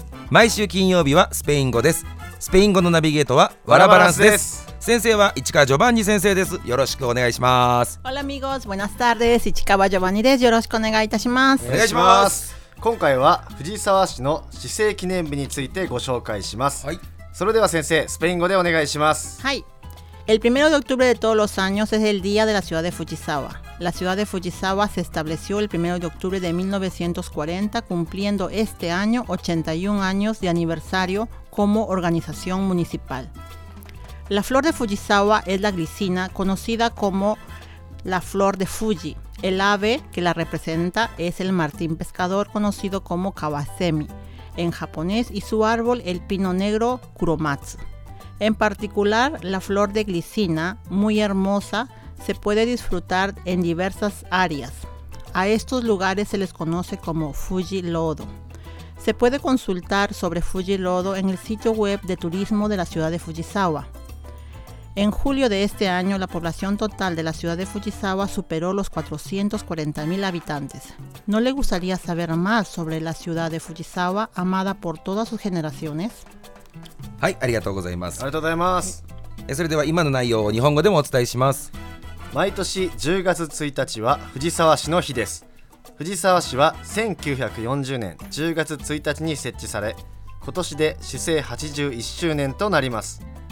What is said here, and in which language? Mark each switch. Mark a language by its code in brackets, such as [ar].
[ja] 毎週金曜日はスペイン語です。スペイン語のナビゲートはワラバランスです。先生は市川ジョバンニ先生です。よろしくお願いします。 [es] Hola amigos, buenas tardes, 市川ジョバンニです。 [ja] よろしくお願いいたします。お願いします。今回は藤沢市の市政記念日についてご紹介します。はい、それでは先生、スペイン語でお願いします。はい。 [es] El primero de octubre de todos los años es el día de la ciudad de Fujisawa. La ciudad de Fujisawa se estableció el primero de octubre de 1940, cumpliendo este año 81 años de aniversario como organización municipal. La flor de Fujisawa es la glicina, conocida como la flor de Fuji. El ave que la representa es el martín pescador, conocido como kawasemi en japonés, y su árbol el pino negro kuromatsu. En particular, la flor de glicina, muy hermosa, se puede disfrutar en diversas áreas. A estos lugares se les conoce como Fuji Lodo. Se puede consultar sobre Fuji Lodo en el sitio web de turismo de la ciudad de Fujisawa. En julio de este año, la población total de la ciudad de Fujisawa superó los 440.000 habitantes. ¿No le gustaría saber más sobre la ciudad de Fujisawa, amada por todas sus generaciones? [ja] はい、ありがとうございます。ありがとうございます。それでは今の内容を日本語でもお伝えします。毎年10月1日は藤沢市の日です。藤沢市は1940年10月1日に設置され、今年で市政81周年となります。